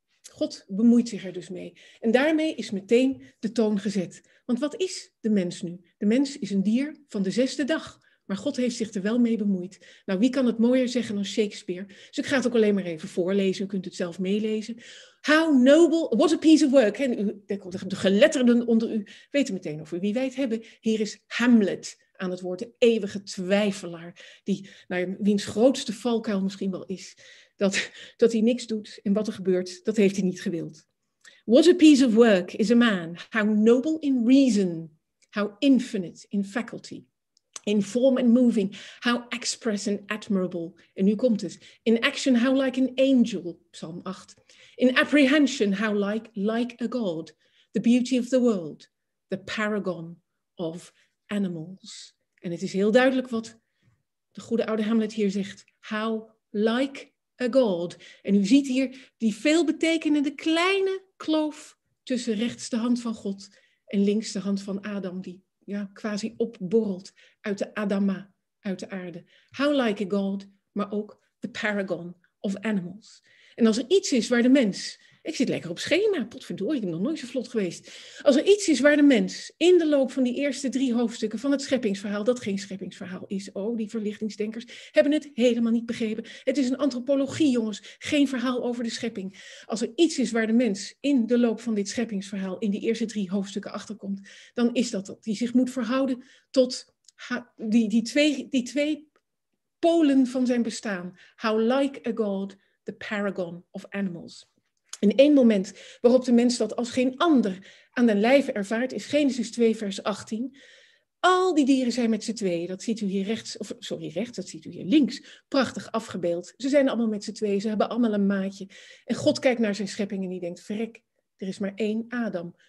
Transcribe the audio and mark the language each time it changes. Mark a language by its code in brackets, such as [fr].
[nl] God bemoeit zich er dus mee. En daarmee is meteen de toon gezet. Want wat is de mens nu? De mens is een dier van de zesde dag. Maar God heeft zich er wel mee bemoeid. Nou, wie kan het mooier zeggen dan Shakespeare? Dus ik ga het ook alleen maar even voorlezen. U kunt het zelf meelezen. [en] How noble, what a piece of work. [nl] En u, de geletterden onder u weten meteen over wie wij het hebben. Hier is Hamlet aan het woord, de eeuwige twijfelaar. Die, nou, wiens grootste valkuil misschien wel is. Dat hij niks doet en wat er gebeurt, dat heeft hij niet gewild. [en] What a piece of work is a man. How noble in reason. How infinite in faculty. In form and moving, how express and admirable. [nl] En nu komt het. [en] In action, how like an angel, Psalm 8. In apprehension, how like a god. The beauty of the world, the paragon of animals. [nl] En het is heel duidelijk wat de goede oude Hamlet hier zegt. [en] How like a god. [nl] En u ziet hier die veelbetekenende kleine kloof tussen rechts de hand van God en links de hand van Adam, die ja, quasi opborrelt uit de Adama, uit de aarde. [en] How like a god, [nl] maar ook [en] the paragon of animals. [nl] En als er iets is waar de mens, ik zit lekker op schema, potverdorie, ik ben nog nooit zo vlot geweest. Als er iets is waar de mens in de loop van die eerste drie hoofdstukken van het scheppingsverhaal, dat geen scheppingsverhaal is, oh, die verlichtingsdenkers hebben het helemaal niet begrepen. Het is een antropologie, jongens, geen verhaal over de schepping. Als er iets is waar de mens in de loop van dit scheppingsverhaal in die eerste drie hoofdstukken achterkomt, dan is dat dat hij zich moet verhouden tot die twee polen van zijn bestaan. [en] How like a god, the paragon of animals. [nl] In één moment waarop de mens dat als geen ander aan den lijve ervaart, is Genesis 2 vers 18. Al die dieren zijn met z'n tweeën. Dat ziet u hier rechts, of sorry, rechts, dat ziet u hier links. Prachtig afgebeeld. Ze zijn allemaal met z'n tweeën, ze hebben allemaal een maatje. En God kijkt naar zijn schepping en die denkt, verrek, er is maar één Adam.